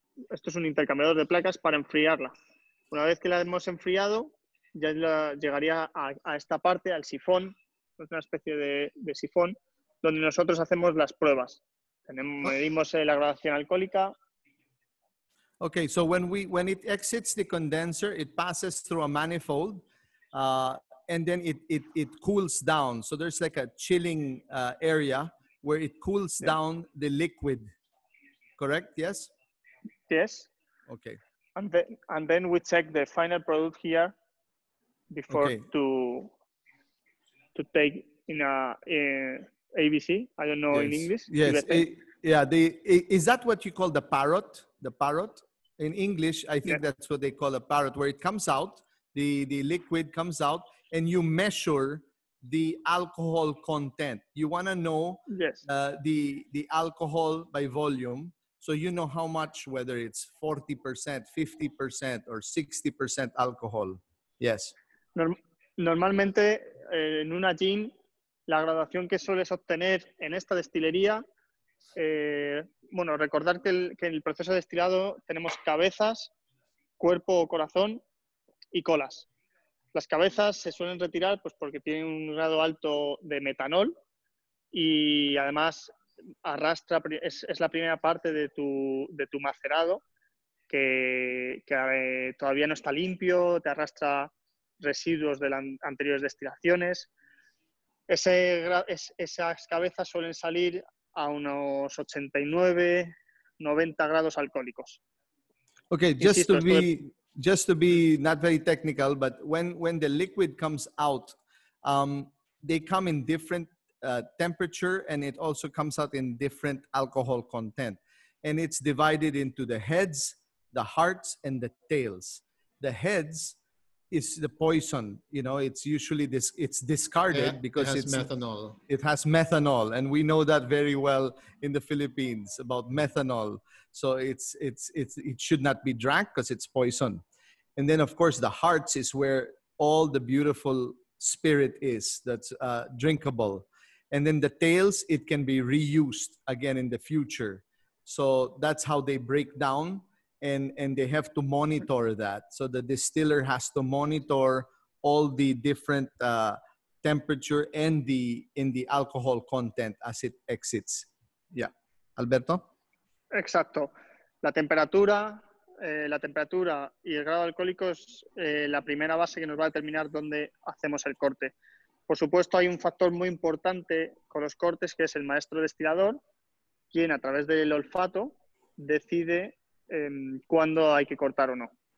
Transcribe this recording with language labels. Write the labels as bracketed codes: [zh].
[es] Esto es un intercambiador de placas para enfriarla. Una vez que la hemos enfriado, ya llegaría a esta parte, al sifón, es una especie de sifón, donde nosotros hacemos las pruebas. Medimos la graduación alcohólica. [en] Okay, so when it exits the condenser, it passes through a manifold. And then it cools down. So there's like a chilling area where it cools down the liquid. Correct? Yes? Yes. Okay. And then we check the final product here before to take in ABC. I don't know, yes, in English. Yes. Is that what you call the parrot? The parrot? In English, I think that's what they call a parrot, where it comes out, the liquid comes out, and you measure the alcohol content. You want to know the alcohol by volume, so you know how much, whether it's 40%, 50%, or 60% alcohol. Yes. [es] Normalmente, en una gin, la graduación que sueles obtener en esta destilería, recordar que en el proceso de destilado tenemos cabezas, cuerpo o corazón y colas. Las cabezas se suelen retirar pues porque tienen un grado alto de metanol y además arrastra, es la primera parte de tu macerado que todavía no está limpio, te arrastra residuos de las anteriores destilaciones. Esas cabezas suelen salir a unos 89, 90 grados alcohólicos. [en] Okay, just to be not very technical, but when the liquid comes out, they come in different temperature, and it also comes out in different alcohol content. And it's divided into the heads, the hearts, and the tails. The heads is the poison. You know, it's usually it's discarded because it has methanol. It has methanol, and we know that very well in the Philippines about methanol. So it should not be drank because it's poison. And then, of course, the hearts is where all the beautiful spirit is that's drinkable. And then the tails, it can be reused again in the future. So that's how they break down, and they have to monitor that. So the distiller has to monitor all the different temperature and the alcohol content as it exits. Yeah. Alberto? [es] Exacto. La temperatura... la temperatura y el grado alcohólico es la primera base que nos va a determinar dónde hacemos el corte. Por supuesto, hay un factor muy importante con los cortes, que es el maestro destilador, quien a través del olfato decide cuándo hay que cortar o no.